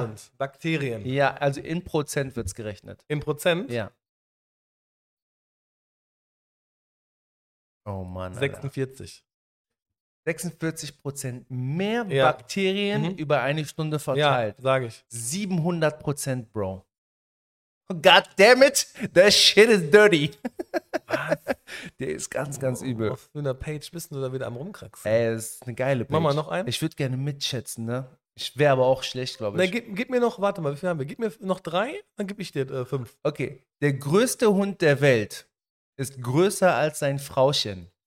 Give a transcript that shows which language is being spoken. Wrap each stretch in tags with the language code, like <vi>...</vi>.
<de>sind? Bakterien. Ja, also in Prozent wird es gerechnet. In Prozent? Ja. Oh Mann, Alter. 46. 46% mehr Ja. Bakterien über eine Stunde Ja, verteilt. sage ich. 700%, Bro.</de> <en>God damn it, that shit is dirty.</en> <de>Was? Der ist ganz, ganz übel. Auf einer Page bist du da wieder am rumkraxeln? Ey, das ist eine geile Mach mal Page. noch einen. Ich würde gerne mitschätzen, ne? Ich wäre aber auch schlecht, glaube Na, ich. gib mir noch, warte mal, wie viel haben wir? Gib mir noch drei, dann gebe ich dir fünf. Okay, der größte Hund der Welt ist größer als sein Frauchen.</de>